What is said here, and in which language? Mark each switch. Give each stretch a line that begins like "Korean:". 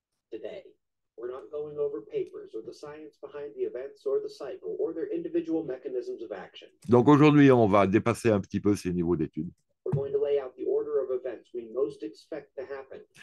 English: Today, we're not going over papers or the science behind the events or the cycle or their individual mechanisms of action.
French: Donc aujourd'hui, on va dépasser un petit peu ces niveaux d'études.
English: We're going to lay out the order of events we most expect to happen.